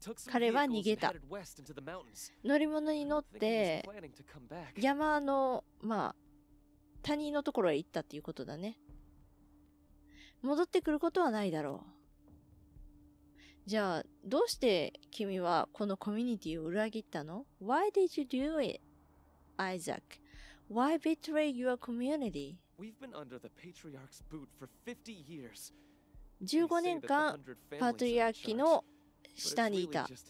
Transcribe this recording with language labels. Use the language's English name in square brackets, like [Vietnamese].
[Japanese] 彼は逃げた。乗り物に乗って、山の、まあ、谷のところへ行ったっていうことだね。戻ってくることはないだろう。じゃあどうして君はこのコミュニティを裏切ったの？ [English] Why did you do it, Isaac? Why betray your community? We've been under the patriarch's boot for 50 years. [Japanese] 15年間パトリアーキの下にいた。